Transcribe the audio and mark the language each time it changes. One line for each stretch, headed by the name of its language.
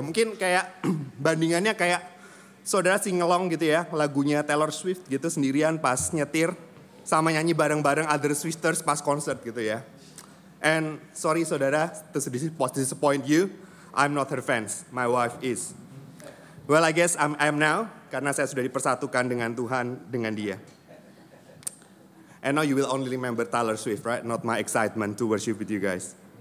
Indonesian: Mungkin kayak bandingannya kayak saudara sing along gitu ya, lagunya Taylor Swift gitu sendirian pas nyetir sama nyanyi bareng-bareng other sisters pas concert gitu ya.
English: And sorry saudara, to disappoint you, I'm not her fans, my wife is.
Indonesian: Well, I guess I'm now, karena saya sudah dipersatukan dengan Tuhan, dengan dia.
English: And now you will only remember Taylor Swift, right? Not my excitement to worship with you guys.